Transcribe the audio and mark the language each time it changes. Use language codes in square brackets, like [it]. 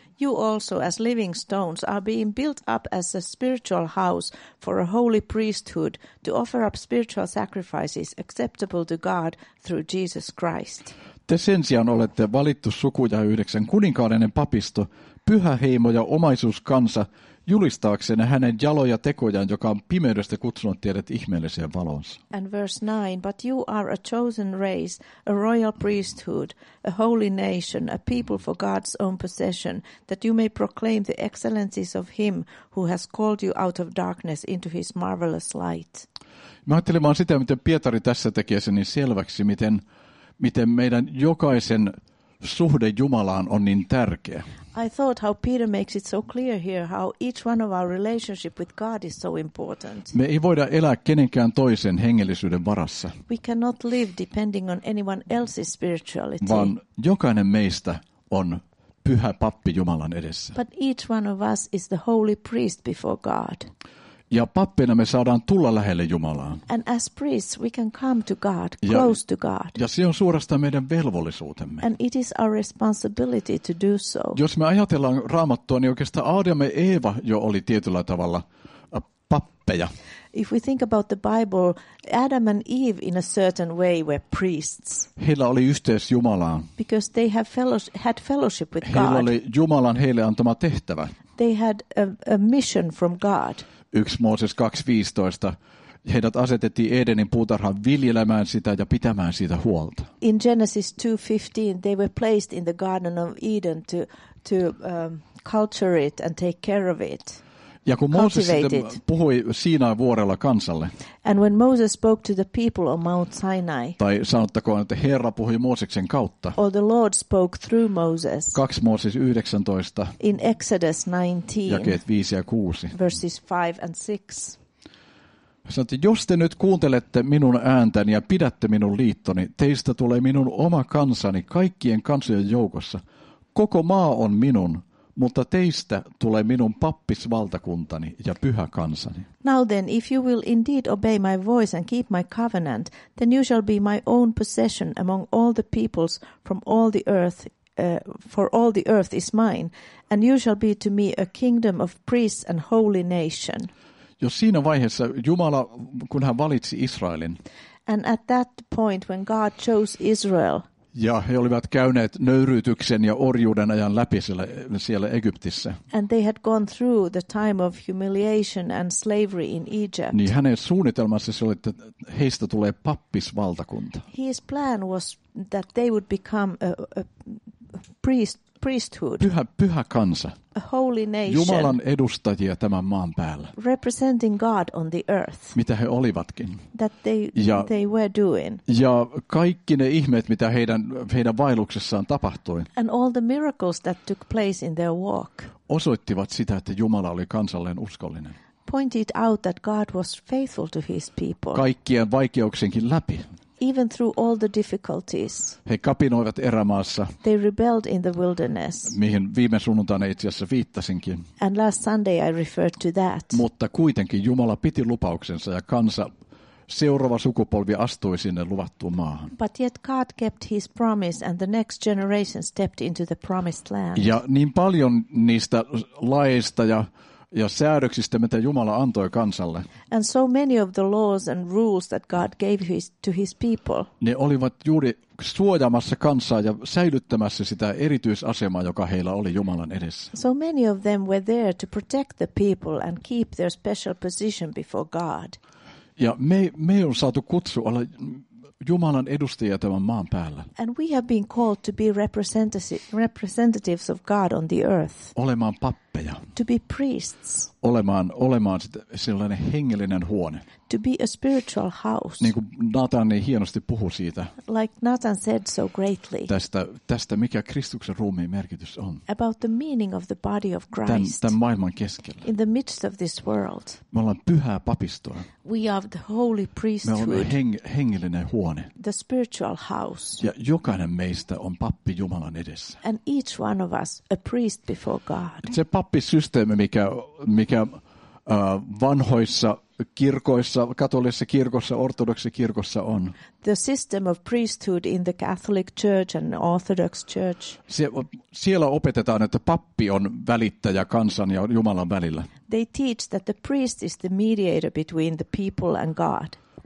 [en] You also, as living stones, are being built up as a spiritual house for a holy priesthood to offer up spiritual sacrifices acceptable to God through Jesus Christ. [fi] Te sen sijaan olette valittu suku ja yhdeksän kuninkaallinen papisto, pyhä heimo ja omaisuuskansa, julistaaksenne hänen jaloja tekojaan, joka on pimeydestä kutsunut teidät ihmeelliseen valonsa. [en] And verse 9, but you are a chosen race, a royal priesthood, a holy nation, a people for God's own possession, that you may proclaim the excellencies of him who has called you out of darkness into his marvelous light. [fi] Mä ajattelin vaan sitä, miten Pietari tässä tekee sen niin selväksi, miten meidän jokaisen suhde Jumalaan on niin tärkeä. [en] I thought how Peter makes it so clear here how each one of our relationship with God is so important. [fi] Me ei voida elää kenenkään toisen hengellisyyden varassa. [en] We cannot live depending on anyone else's spirituality. [fi] Vaan jokainen meistä on pyhä pappi Jumalan edessä. [en] But each one of us is the holy priest before God. [fi] Ja pappina me saadaan tulla lähelle Jumalaa. [en] And as priests we can come to God, close to God. [fi] Ja se on suorastaan meidän velvollisuutemme. [en] And it is our responsibility to do so. [fi] Jos me ajatellaan Raamattua, niin oikeastaan Aadam ja Eeva jo oli tietyllä tavalla pappeja. [en] If we think about the Bible, Adam and Eve in a certain way were priests. [fi] Heillä oli yhteys Jumalaan. [en] Because they had fellowship with God. [fi] Heillä oli Jumalan heille antama tehtävä. [en] They had a mission from God. [fi] 1 Mooses 2:15. Heidät asetettiin Edenin puutarhan viljelemään sitä ja pitämään siitä huolta. [en] In Genesis 2:15, they were placed in the Garden of Eden to culture it and take care of it. [fi] Ja kun Mooses puhui Siinain vuorella kansalle. [en] And when Moses spoke to the people on Mount Sinai. [fi] Tai sanottakoon, että Herra puhui Mooseksen kautta. [en] Or the Lord spoke through Moses. [fi] 2 Mooses 19. [en] In Exodus 19. [fi] Jakeet 5 ja 6. [en] Verses 5 and 6. [fi] Sanoit, jos te nyt kuuntelette minun ääntäni ja pidätte minun liittoni, teistä tulee minun oma kansani kaikkien kansojen joukossa. Koko maa on minun. Mutta teistä tulee minun pappisvaltakuntani ja pyhä kansani. [en] Now then, if you will indeed obey my voice and keep my covenant, then you shall be my own possession among all the peoples from all the earth, for all the earth is mine, and you shall be to me a kingdom of priests and holy nation. [fi] Jos siinä vaiheessa Jumala, kun hän valitsi Israelin. [en] And at that point when God chose Israel. [fi] Ja he olivat käyneet nöyryytyksen ja orjuuden ajan läpi siellä Egyptissä. [en] And they had gone through the time of humiliation and slavery in Egypt. [fi] Niin hänen suunnitelmansa se oli, että heistä tulee pappisvaltakunta. [en] His plan was that they would become a priesthood. [fi] Pyhä kansa. [en] A holy nation. [fi] Jumalan edustajia tämän maan päällä. [en] Representing God on the earth. [fi] Mitä he olivatkin. [en] That they were doing. [fi] Ja kaikki ne ihmeet, mitä heidän vaelluksessaan tapahtui. [en] And all the miracles that took place in their walk. [fi] Osoittivat sitä, että Jumala oli kansalleen uskollinen. [en] Pointed out that God was faithful to his people. [fi] Kaikkien vaikeuksienkin läpi. [en] Even through all the difficulties. [fi] He kapinoivat erämaassa. [en] They rebelled in the wilderness. [fi] Mihin viime sunnuntaina itse asiassa viittasinkin. [en] And last Sunday I referred to that. [fi] Mutta kuitenkin Jumala piti lupauksensa ja kansa seuraava sukupolvi astui sinne luvattuun maahan. [en] But yet God kept his promise and the next generation stepped into the promised land. [fi] Ja niin paljon niistä laeista ja säädöksistä, mitä Jumala antoi kansalle. [en] And so many of the laws and rules that God gave to his people. [fi] Ne olivat juuri suojaamassa kansaa ja säilyttämässä sitä erityisasemaa, joka heillä oli Jumalan edessä. [en] So many of them were there to protect the people and keep their special position before God. [fi] Ja me on saatu kutsu olla Jumalan edustajia tämän maan päällä. [en] And we have been called to be representatives of God on the earth. [fi] Olemaan pappeja. [en] To be priests. [fi] Olemaan sellainen hengellinen huone. [en] To be a spiritual house. [fi] Niin kuin Nathan niin hienosti puhui siitä. [en] Like Nathan said so greatly. [fi] Tästä mikä Kristuksen ruumiin merkitys on. [en] About the meaning of the body of Christ. [fi] Tämän maailman keskellä. [en] In the midst of this world. [fi] Me ollaan pyhää papistoa. [en] We are the holy priesthood. [fi] Me ollaan hengellinen huone. [en] The spiritual house. [fi] Ja jokainen meistä on pappi Jumalan edessä. [en] And each one of us a priest before God. [fi] Se pappisysteemi, mikä vanhoissa kirkoissa, katolisessa kirkossa, ortodoksisessa kirkossa on. [en] The system of priesthood in the Catholic Church and Orthodox Church. [fi] Siellä opetetaan, että pappi on välittäjä kansan ja Jumalan välillä. [en] They teach that the priest is the mediator between the people and God.